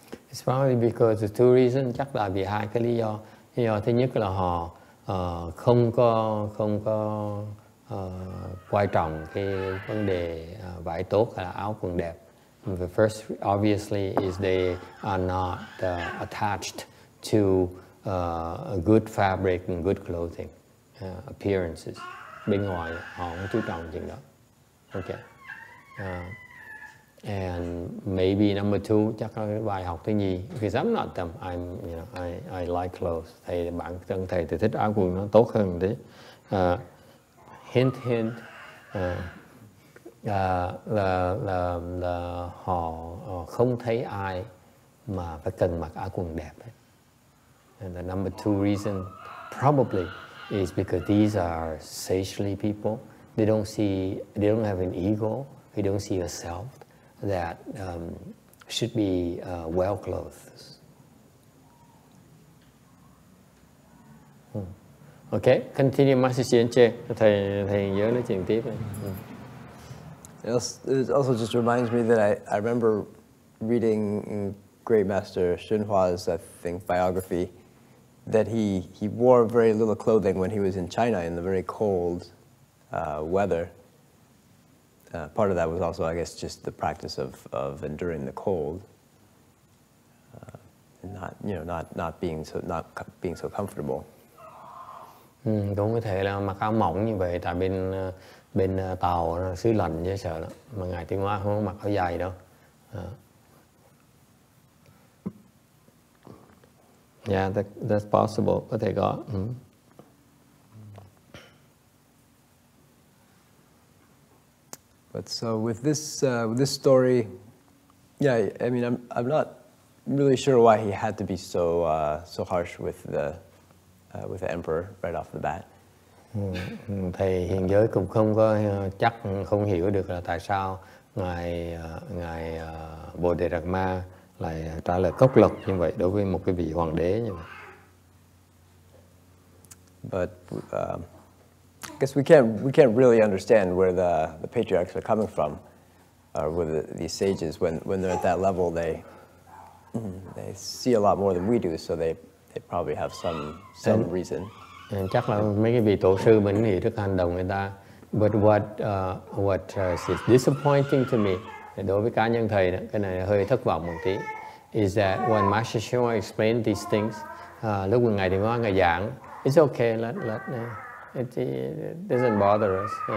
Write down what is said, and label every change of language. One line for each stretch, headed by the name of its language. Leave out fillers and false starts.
English: It's probably because of two reasons.
Vietnamese: Chắc là vì hai cái lý do. Lý do thứ nhất là họ không có quan trọng cái vấn đề vải tốt hay là áo quần đẹp.
English: The first, obviously, is they are not attached to a good fabric and good clothing appearances.
Vietnamese: Bên ngoài họ không chú trọng chuyện đó. Okay.
English: And maybe number two,
Vietnamese: chắc là bài học thứ nhì.
English: Because I'm not them. I'm, you know, I like clothes.
Vietnamese: Thầy, bản thân thầy thì thích áo quần nó tốt hơn thế. Hint. Là họ không thấy ai mà phải cần mặc áo quần đẹp. Ấy.
English: And the number two reason probably is because these are sagely people. They don't see, they don't have an ego. They don't see a self. That should be well clothed. Okay, continue Master Xian Che.
Vietnamese: Thầy nhớ nói chuyện tiếp.
English: It also just reminds me that I remember reading Great Master Xun Hua's, I think, biography, that he wore very little clothing when he was in China in the very cold weather. Part of that was also, I guess, just the practice of enduring the cold, not being so comfortable.
Vietnamese: Cũng có thể là mặc áo mỏng như vậy tại bên tàu xứ lạnh chứ sợ lắm. Mà ngài Tiên Hóa không mặc áo dài đâu.
English: Yeah, that's possible.
Vietnamese: Có thể có.
English: But so with this story, yeah, I mean, I'm not really sure why he had to be so so harsh with the emperor right off the bat.
Vietnamese: Thầy hiện giới cũng không có chắc không hiểu được là tại sao ngài Bodhidharma lại trả lời cốc lực như vậy đối với một cái vị hoàng đế như vậy.
English: But I guess we can't really understand where the patriarchs are coming from, or with these sages when they're at that level, they see a lot more than we do, so they probably have some reason.
Vietnamese: Chắc là mấy cái vị tổ sư mình hiểu được hành động người ta.
English: But what is disappointing to me,
Vietnamese: đối với cá nhân thầy đó, cái này hơi thất vọng một tí,
English: is that when Master Shua explained these things,
Vietnamese: lúc mà ngài thì nói ngài giảng,
English: it's okay, It doesn't bother us.